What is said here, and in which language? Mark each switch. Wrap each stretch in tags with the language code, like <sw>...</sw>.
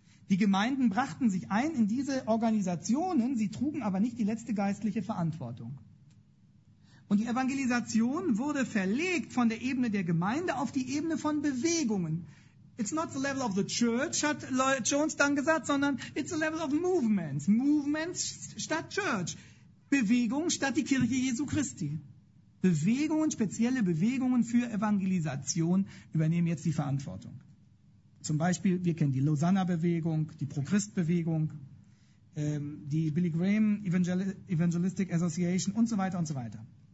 <de>Die Gemeinden brachten sich ein in diese Organisationen, sie trugen aber nicht die letzte geistliche Verantwortung. Und die Evangelisation wurde verlegt von der Ebene der Gemeinde auf die Ebene von Bewegungen.</de> <en>It's not the level of the church,</en> <de>hat Lloyd Jones dann gesagt, sondern</de> <en>it's the level of movements. Movements</en> <de>statt</de> <en>church.</en> <de>Bewegung statt die Kirche Jesu Christi. Bewegungen, spezielle Bewegungen für Evangelisation übernehmen jetzt die Verantwortung. Zum Beispiel, wir kennen die Lausanne-Bewegung, die Pro-Christ-Bewegung, die Billy Graham Evangelistic Association und so weiter und so weiter.</de>